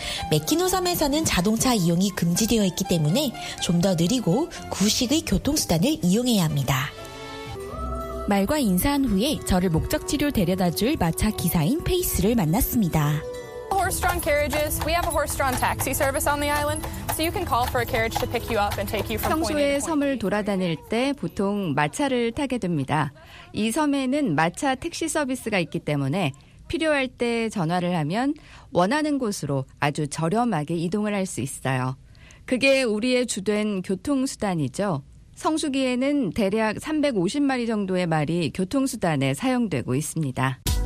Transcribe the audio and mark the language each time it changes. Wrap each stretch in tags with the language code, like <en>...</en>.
<ko>매키노섬에서는 자동차 이용이 금지되어 있기 때문에 좀 더 느리고 구식의 교통수단을 이용해야 합니다. 말과 인사한 후에 저를 목적지로 데려다 줄 마차 기사인 페이스를 만났습니다.</ko> <en>Horse-drawn carriages. We have a horse-drawn taxi service on the island, so you can call for a carriage to pick you up and take you from point A to point B.</en> <ko>평소에 섬을 돌아다닐 때 보통 마차를 타게 됩니다. 이 섬에는 마차 택시 서비스가 있기 때문에 필요할 때 전화를 하면 원하는 곳으로 아주 저렴하게 이동을 할 수 있어요. 그게 우리의 주된 교통수단이죠. 성수기에는 대략 350마리 정도의 말이 교통수단에 사용되고 있습니다.</ko>